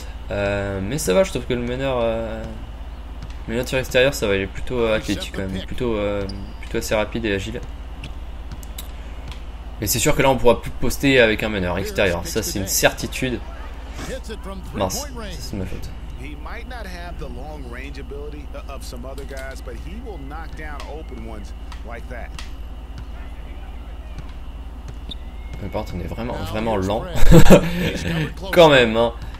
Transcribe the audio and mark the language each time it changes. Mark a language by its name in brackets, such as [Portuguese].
[French] Mais ça va, je trouve que le meneur tir extérieur, ça va, il est plutôt athlétique quand même, plutôt assez rapide et agile. Mais c'est sûr que là on pourra plus poster avec un meneur extérieur, ça c'est une certitude. Mince, ça c'est ma faute. [English] He might not have the long range ability of some other guys, but he will knock down open ones like that. [French] Par contre, on est vraiment, vraiment lent. Quand même, hein.